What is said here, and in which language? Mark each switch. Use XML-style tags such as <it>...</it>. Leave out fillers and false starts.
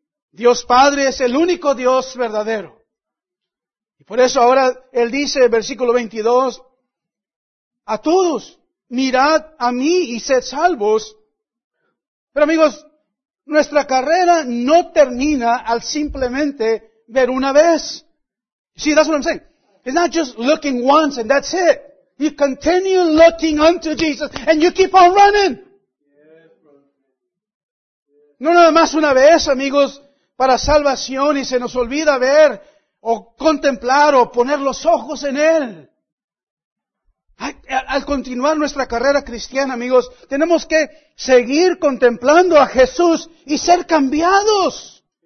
<es>Dios Padre es el único Dios verdadero. Y por eso ahora Él dice, versículo 22, a todos, mirad a mí y sed salvos. Pero amigos, nuestra carrera no termina al simplemente ver una vez.</es> <en>See, that's what I'm saying. It's not just looking once and that's it. You continue looking unto Jesus and you keep on running.</en> <es>No nada más una vez, amigos, para salvación y se nos olvida ver o contemplar o poner los ojos en Él. Al continuar nuestra carrera cristiana, amigos, tenemos que seguir contemplando a Jesús y ser cambiados.</es>